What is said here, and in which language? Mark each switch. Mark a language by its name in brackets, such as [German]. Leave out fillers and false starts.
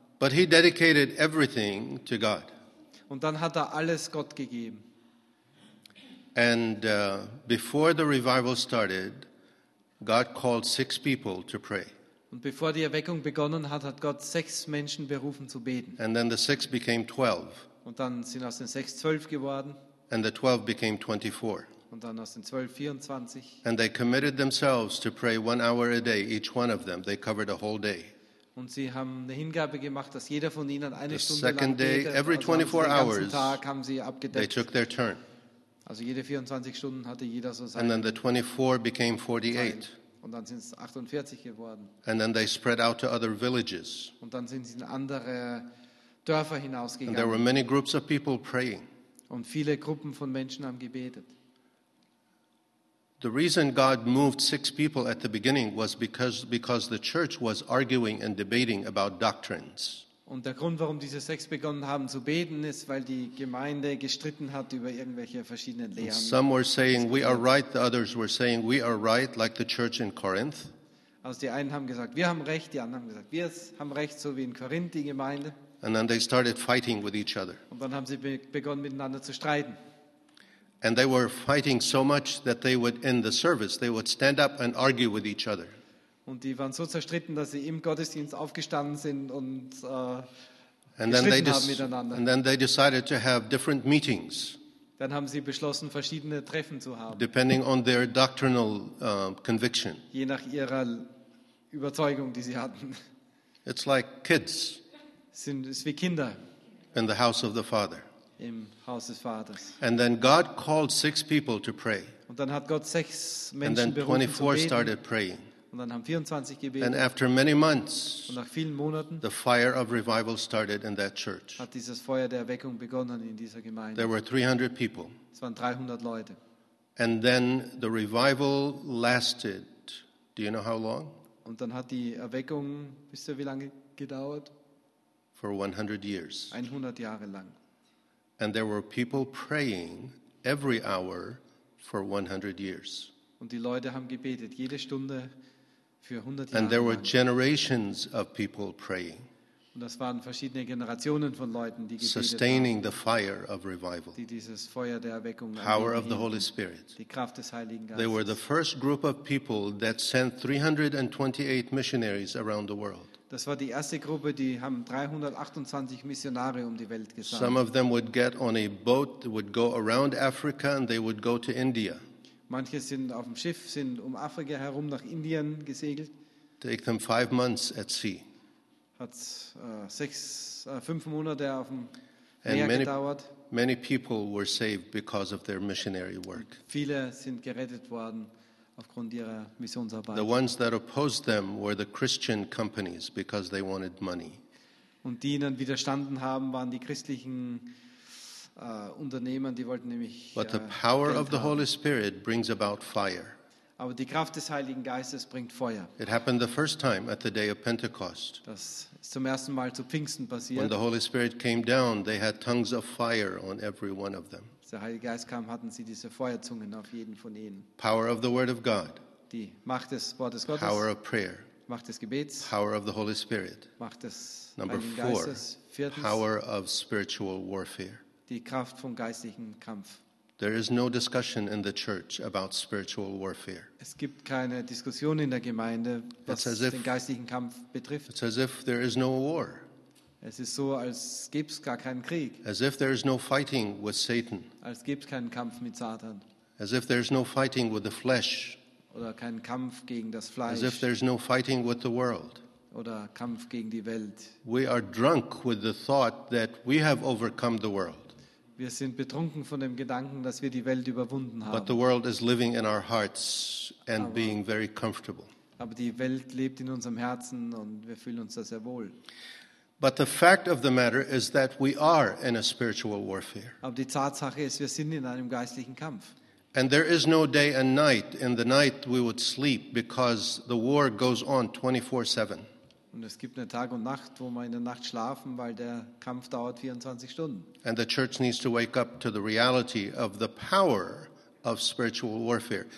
[English] But he dedicated everything to God. [German] Und dann hat er alles Gott gegeben. [English] And before the revival started, God called 6 people to pray. [German] Und bevor die Erweckung begonnen hat, hat Gott 6 Menschen berufen zu beten. [English] And then the 6 became 12. [German] Und dann sind aus den 6 12 geworden. [English] And the 12 became 24. [German] Und dann aus den 12 24. [English] And they committed themselves to pray 1 hour a day, each one of them. They covered a whole day. [German] Und sie haben eine Hingabe gemacht, dass jeder von ihnen eine [English] the [German] Stunde [English] second [German] lang betet. [English] Day, every 24 [German] also [English] hours, [German] den ganzen Tag haben sie abgedeckt. [English] They took their turn. [German] Also jede 24 Stunden hatte jeder so sein. [English] And then the 24 became 48. [German] Und dann sind es 48 geworden. [English] And then they spread out to other villages. [German] Und dann sind sie in andere Dörfer hinausgegangen. [English] And there were many groups of people praying. [German] Und viele Gruppen von Menschen haben gebetet. [English] The reason God moved 6 people at the beginning was because the church was arguing and debating about doctrines. [German] Und der Grund, warum diese 6 begonnen haben zu beten, ist, weil die Gemeinde gestritten hat über irgendwelche verschiedenen Lehren. [English] Some were saying we are right, the others were saying we are right, like the church in Corinth. [German] Also die einen haben gesagt, wir haben recht, die anderen haben gesagt, wir haben recht, so wie in Korinth die Gemeinde. [English] And then they started fighting with each other. [German] Und dann haben sie begonnen miteinander zu streiten. [English] And they were fighting so much that they would end the service. They would stand up and argue with each other. [German] Und die waren so zerstritten, dass sie im Gottesdienst aufgestanden sind und [English] And then they decided to have different meetings. [German] Dann haben sie beschlossen, verschiedene Treffen zu haben. [English] Depending on their doctrinal conviction. [German] Je nach ihrer Überzeugung, die sie hatten. [English] It's like kids. [German] Es ist wie Kinder. [English] in the house of the Father. [German] Im Haus des Vaters. [English] And then God called 6 people to pray. [German] Und dann hat Gott 6 Menschen [English] and then 24 [German] beten. [English] Started praying. [German] Und dann haben 24 gebeten. [English] And after many months, [German] und nach vielen Monaten, [English] the fire of revival started in that church. [German] Hat dieses Feuer der Erweckung begonnen in dieser Gemeinde. [English] There were 300 people. [German] Es waren 300 Leute. [English] And then the revival lasted, do you know how long? [German] Und dann hat die Erweckung, wisst ihr, wie lange gedauert? [English] For 100 years. [German] 100 Jahre lang. [English] And there were people praying every hour for 100 years. [German] Und die Leute haben gebetet jede Stunde für 100 Jahre. [English] And there were generations of people praying. [German] Und das waren verschiedene Generationen von Leuten, die gebetet [English] sustaining [German] haben, [English] the fire of revival. [German] Die dieses Feuer der Erweckung [English] power of hielten, the Holy Spirit. [German] Die Kraft des Heiligen Geistes. [English] They were the first group of people that sent 328 missionaries around the world. [German] Das war die erste Gruppe, die haben 328 Missionare um die Welt gesandt. [English] Some of them would get on a boat, would go around Africa and they would go to India. [German] Manche sind auf dem Schiff, sind um Afrika herum nach Indien gesegelt. [English] Take them 5 months at sea. [German] Hat 5 Monate auf dem Meer gedauert. [English] Many people were saved because of their missionary work. [German] Viele sind gerettet worden. [English] The ones that opposed them were the Christian companies because they wanted money. [German] Und die ihnen widerstanden haben, waren die christlichen Unternehmen, die wollten nämlich Geld haben. [English] But the power of the Holy Spirit brings about fire. [German] Aber die Kraft des Heiligen Geistes bringt Feuer. [English] It happened the first time at the day of Pentecost. [German] Das ist zum ersten Mal zu Pfingsten passiert. [English] When the Holy Spirit came down, they had tongues of fire on every one of them. [German] Der Heilige Geist kam, hatten sie diese Feuerzungen auf jeden von ihnen. [English] Power of the Word of God. [German] Die Macht des Wortes Gottes. [English] Power of prayer. [German] Macht des Gebets. [English] Power of the Holy Spirit. [German] Macht des [English] Number [German] Heiligen Geistes. Viertens. [English] Power of spiritual warfare. [German] Die Kraft vom geistlichen Kampf. [English] There is no discussion in the church about spiritual warfare. [German] Es gibt keine Diskussion in der Gemeinde, was den geistlichen Kampf betrifft. [English] It's as if there is no war. [German] Es ist so, als gäbe es gar keinen Krieg. [English] As if there is no fighting with Satan. [German] Als gäbe es keinen Kampf mit Satan. [English] As if there is no fighting with the flesh. [German] Oder keinen Kampf gegen das Fleisch. [English] As if there is no fighting with the world. [German] Oder Kampf gegen die Welt. [English] We are drunk with the thought that we have overcome the world. [German] Wir sind betrunken von dem Gedanken, dass wir die Welt überwunden haben. [English] But the world is living in our hearts and being very comfortable. [German] Aber die Welt lebt in unserem Herzen und wir fühlen uns da sehr wohl. [English] But the fact of the matter is that we are in a spiritual warfare. [German] Aber die Tatsache ist, wir sind in einem geistlichen Kampf. [English] And there is no day and night. In the night we would sleep because the war goes on 24/7. [German] Und es gibt eine Tag und Nacht, wo wir in der Nacht schlafen, weil der Kampf dauert 24 Stunden. [English] And the church needs to wake up to the reality of the power of spiritual warfare.